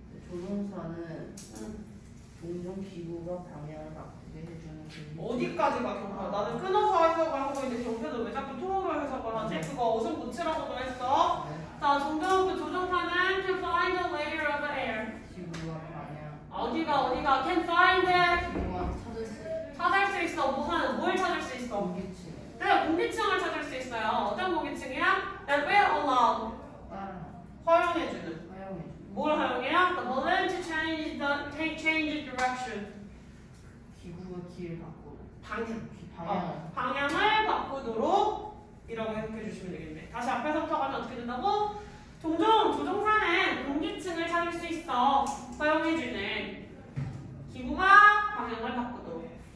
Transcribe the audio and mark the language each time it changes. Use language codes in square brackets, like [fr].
[ko] 조종사는 종종 기구가 방향을 바꾸게 해주는 기구. 어디까지 바꾸는 거야? 나는 끊어서 해석을 하고 있는데 정태도 왜 자꾸 통으로 해석을 하지? 그거 어선 고치라고도 했어. 자, 정태도 조종사는 [en] can find the layer of air. [ko] 기구가 방향. 어디가 [en] can find it. [ko] 찾을 수 있어. 무한은 뭘 찾을 수 있어? 공기층. 그래, 공기층을 찾을 수 있어요. 어떤 공기층이야? [en] That will allow. [ko] 허용해주는. 뭘 허용해요? [en] The balloon to change the change direction. [ko] 기구가 길을 바꾸는. 방향. 방향을 바꾸도록 이라고 해석해주시면 되겠네. 다시 앞에서 터가면 어떻게 된다고? 종종 조종사는 공기층을 찾을 수 있어. 허용해주는. 기구가 방향을 바꾸도록.